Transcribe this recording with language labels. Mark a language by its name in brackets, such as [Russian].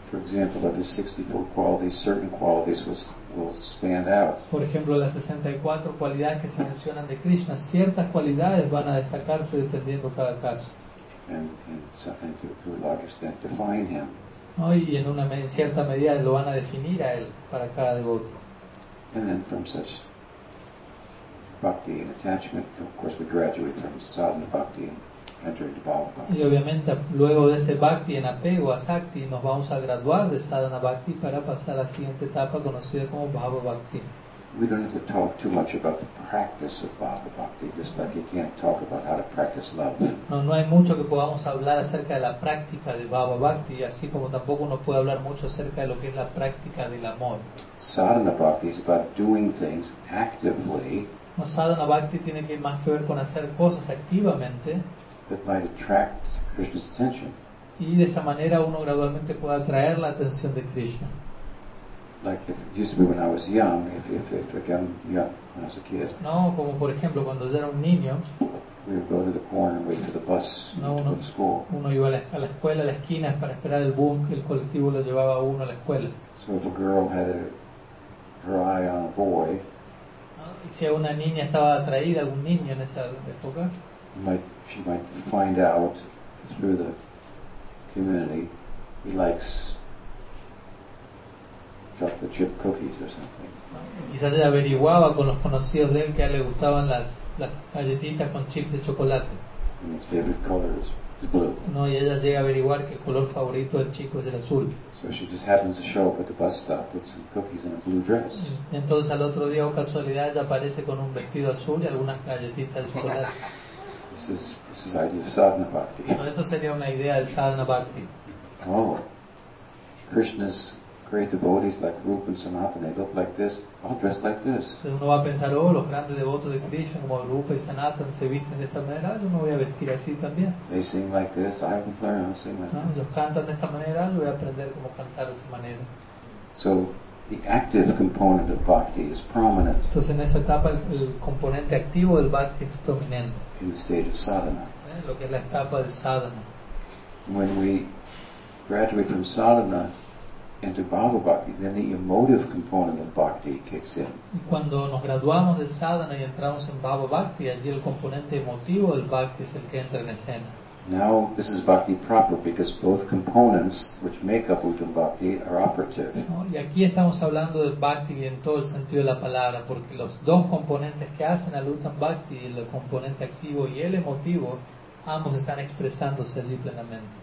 [English] For example, of his 64 qualities, certain qualities will stand out. [Spanish] Por ejemplo, las 64 cualidades que se mencionan de Krishna, ciertas cualidades van a destacarse dependiendo cada caso. [English] And to a large extent define him. ¿No? [Spanish] Y en cierta medida lo van a definir a él para cada devoto. [English] And then from such bhakti and attachment, of course, we graduate from sadhana bhakti and enter into bhava bhakti. [Spanish] Y obviamente luego de ese bhakti en apego a sakti, nos vamos a graduar de sadhana bhakti para pasar a la siguiente etapa conocida como bhava bhakti. [English] We don't have to talk too much about the practice of bhava bhakti, just like you can't talk about how to practice love. [Spanish] No hay mucho que podamos hablar acerca de la práctica de bhava bhakti, así como tampoco uno puede hablar mucho acerca de lo que es la práctica del amor. [English] Sadhana bhakti is about doing things actively. [Spanish] No, sadhana bhakti tiene que más que ver con hacer cosas activamente. [English] That might attract Krishna's attention. [Spanish] Y de esa manera uno gradualmente puede atraer la atención de Krishna. [English] Like if it used to be when I was young, if again young, when I was a kid. [Spanish] No, como por ejemplo cuando yo era un niño. [English] We would go to the corner and wait for the bus to go to school. [Spanish] Uno iba a la escuela, a la esquina, para esperar el bus que el colectivo lo llevaba a uno a la escuela. [English] So if a girl had her eye on a boy. [Spanish] Y si una niña estaba atraída a algún niño en esa época, [English] she might find out through the community he likes chocolate chip cookies or something. [Spanish] Quizás ella averiguaba con los conocidos de él que a él le gustaban las galletitas con chip de chocolate. [English] And his favorite color is blue. [Spanish] No, y ella llega a averiguar que el color favorito del chico es el azul. [English] So she just happens to show up at the bus stop with some cookies and a blue dress. [Spanish] Entonces al otro día, o casualidad, ella aparece con un vestido azul y algunas galletitas de chocolate. [English] This is idea of sadhana bhakti. [Spanish] No, esto sería una idea de sadhana bhakti. [English] Oh, Krishna's great devotees like Rupa and Sanatana, they look like this, all dressed like this. [Spanish] Uno va a pensar, oh, los grandes devotos de Krishna como Rupa y Sanatana se visten de esta manera, yo me voy a vestir así también. [English] They sing like this, I will learn how to sing like this. [Spanish] Ellos cantan de esta manera, yo voy a aprender cómo cantar de esa manera. [English] So the active component of bhakti is prominent. [Spanish] Entonces en esa etapa el componente activo del bhakti es prominente. [English] In the state of sadhana. [Spanish] Lo que es la etapa de sadhana. [English] When we graduate from sadhana into bhava bhakti, then the emotive component of bhakti kicks in. [Spanish] Y cuando nos graduamos de sadhana y entramos en bhava bhakti, allí el componente emotivo del bhakti es el que entra en escena. [English] Now this is bhakti proper because both components which make up uttam bhakti are operative. [Spanish] No, y aquí estamos hablando de bhakti en todo el sentido de la palabra, porque los dos componentes que hacen al uttam bhakti, el componente activo y el emotivo, ambos están expresándose allí plenamente.